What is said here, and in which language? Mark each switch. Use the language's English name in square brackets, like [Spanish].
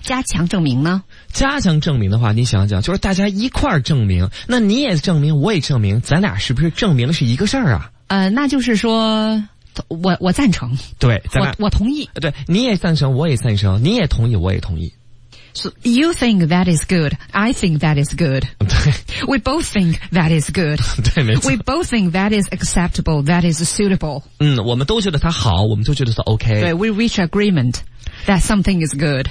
[Chinese] 加强证明呢？加强证明的话，你想想，就是大家一块儿证明，那你也证明，我也证明，咱俩是不是证明的是一个事儿啊？那就是说，我赞成，对，我同意，对，你也赞成，我也赞成，你也同意，我也同意。 [English] So you think that is good, I think that is good. We both think that is good. [Chinese] 对，没错。 [English] We both think that is acceptable, that is suitable. [Chinese] 嗯，我们都觉得它好，我们都觉得它 OK。对， [English] we reach agreement that something is good.